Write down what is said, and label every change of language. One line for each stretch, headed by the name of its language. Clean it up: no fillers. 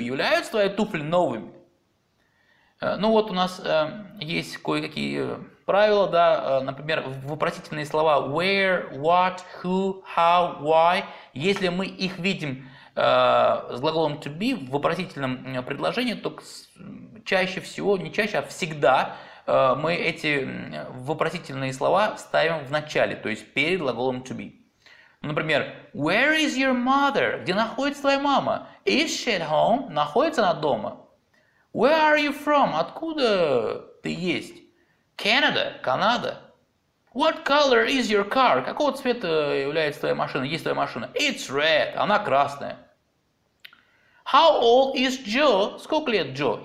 Russian: Являются твои туфли новыми? Ну вот у нас есть кое-какие правила, да, например, вопросительные слова
English: where, what, who, how, why.
Russian: Если мы их видим с глаголом to be в вопросительном предложении, то чаще всего, не чаще, а всегда мы эти вопросительные слова ставим в начале, то есть перед глаголом to be.
English: Например, where is your mother?
Russian: Где находится твоя мама?
English: Is she at home?
Russian: Находится она дома?
English: Where are you from?
Russian: Откуда ты есть?
English: Canada, Канада. What color is your car?
Russian: Какого цвета является твоя машина? Есть твоя машина?
English: It's red.
Russian: Она красная.
English: How old is Joe?
Russian: Сколько лет Джо?